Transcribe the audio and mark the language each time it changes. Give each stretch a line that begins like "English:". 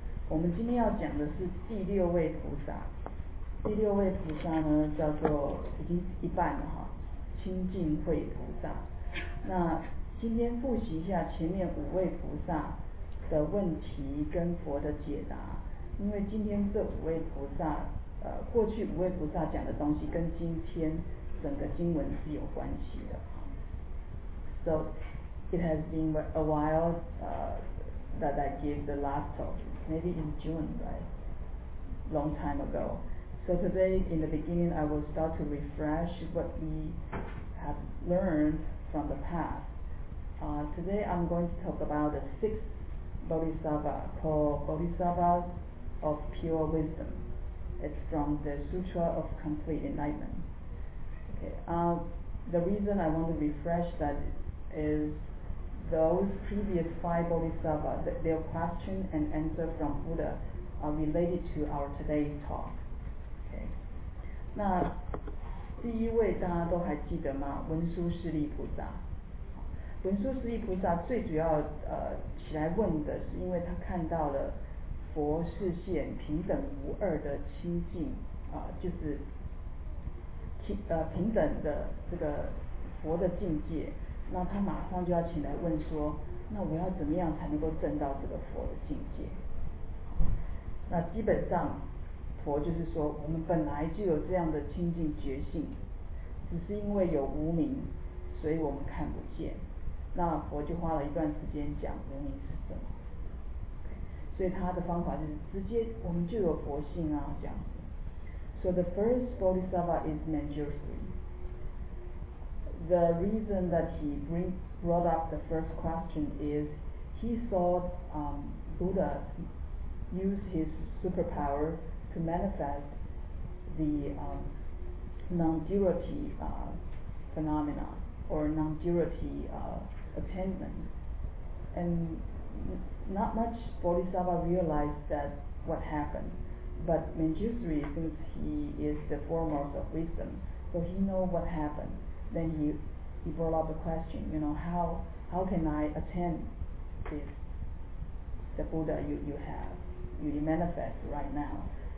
Chinese: 我们今天要讲的是第六位菩萨。第六位菩萨呢叫做已经一半了哈，清净慧菩萨。那今天复习一下前面五位菩萨的问题跟佛的解答，因为今天这五位菩萨，过去五位菩萨讲的东西跟今天整个经文是有关系的。
English: So it has been a while that I gave the last talk, maybe in June, right? Long time ago. So today in the beginning, I will start to refresh what we have learned from the past. Today I'm going to talk about the sixth Bodhisattva called Bodhisattva of Pure Wisdom. It's from the Sutra of Complete Enlightenment. Okay, the reason I want to refresh that is those previous five Bodhisattva, their question and answer from Buddha are related to our today's talk. Okay.
Chinese: 那第一位大家都还记得吗？文殊师利菩萨。文殊师利菩萨最主要起来问的是因为他看到了佛示现平等无二的清净就是平等的这个佛的境界，那他马上就要起来问说，那我要怎么样才能够证到这个佛的境界。那基本上佛就是说，我们本来就有这样的清净觉性，只是因为有无明，所以我们看不见。那佛就花了一段时间讲无明是什么，所以他的方法就是直接我们就有佛性啊，这样子。
English: So the first Bodhisattva is Manjushri. The reason that he brought up the first question is he saw Buddha use his superpower to manifest the non-duality phenomena or non-duality attainment, and not much Bodhisattva realized that what happened, but Manjushri, since he is the foremost of wisdom, so he know what happened, then he brought up the question, you know, how can I attain this, the Buddha you have, you manifest right now.